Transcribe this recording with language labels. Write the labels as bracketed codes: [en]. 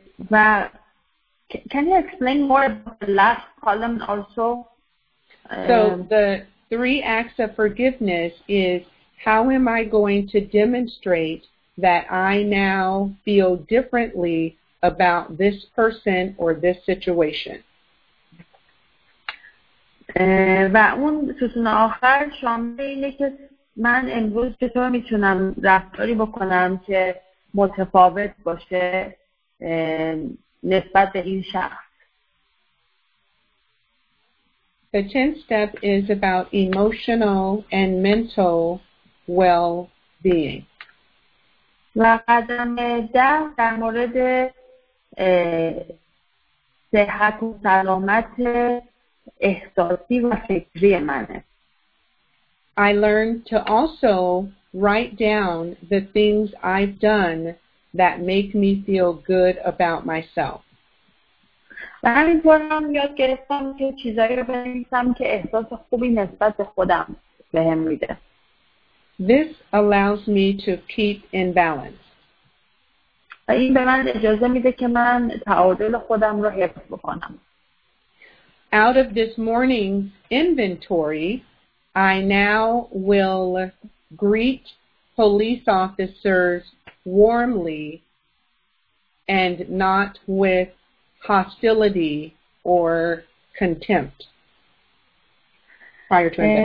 [en] Can you explain more about the last column also? So the three acts of forgiveness is how am I going to demonstrate that I now feel differently about this person or this situation? [fa] و اون ستون آخر شامل اینه که من امروز چطور میتونم رفتاری بکنم که متفاوت باشه نسبت به این شخص. [en] The 10th step is about emotional and mental well-being. [fa] و قدم 10 در مورد صحت و سلامت احساسی و فکری منه. [en] I learned to also write down the things I've done that make me feel good about myself. [fa] همینطورم یاد گرفتم که چیزایی رو بنویسم که احساس خوبی نسبت به خودم بهم میده. [en] This allows me to keep in balance. [fa] این به من اجازه میده که من تعادل خودم رو حفظ بکنم. [en] Out of this morning's inventory, I now will greet police officers warmly and not with hostility or contempt prior to